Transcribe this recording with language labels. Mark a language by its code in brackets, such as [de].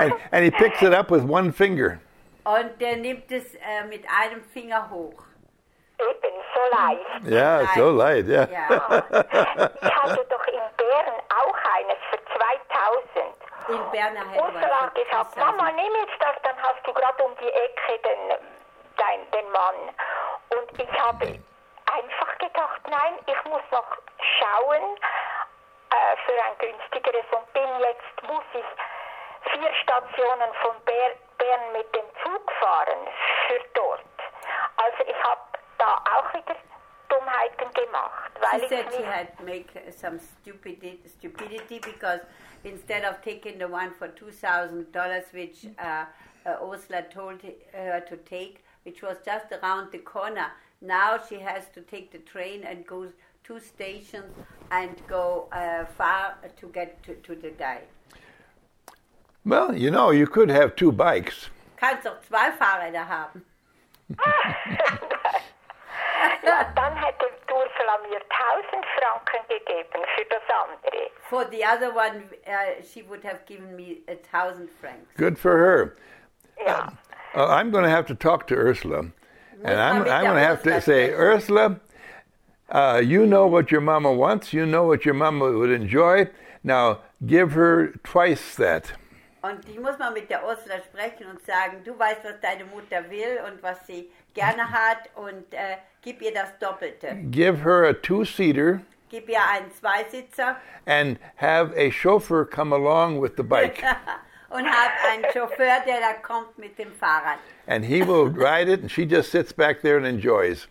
[en] and he picks it up with one finger. [de] Und der nimmt es mit einem Finger hoch. Eben, so leicht. Ja, so leicht, ja. Ich hatte doch in Bern auch eines für 2,000. In Bern hat Ursula gesagt, Mama, nimm jetzt das, dann hast du gerade um die Ecke den Mann. Und ich habe einfach gedacht, nein, ich muss noch schauen für ein günstigeres und bin jetzt, muss ich 4 Stationen von Bern mit dem Zug fahren für dort. Also ich habe da auch wieder Dummheiten gemacht. Weil [en] she said she had make some stupidity because instead of taking the one for $2,000, which Ursula told her to take, which was just around the corner, now she has to take the train and go 2 stations and go far to get to the guy. Well, you know, you could have 2 bikes. [de] Kannst auch 2 Fahrräder haben. Ja, dann hätte Ursula mir 1,000 Franken gegeben für das andere. [en] For the other one, she would have given me 1,000 francs. Good for her. [de] Ja. [en] I'm going to have to talk to Ursula. And I'm going to have to say, Ursula, you know what your mama wants. You know what your mama would enjoy. Now, give her twice that. [de] Und die muss man mit der Ursula sprechen und sagen, du weißt, was deine Mutter will und was sie gerne hat und gib ihr das Doppelte. [en] Give her a 2-seater. [de] Gib ihr einen 2-Sitzer. [en] And have a chauffeur come along with the bike. [de] Und hab einen Chauffeur, der da kommt mit dem Fahrrad. [en] And he will ride it and she just sits back there and enjoys.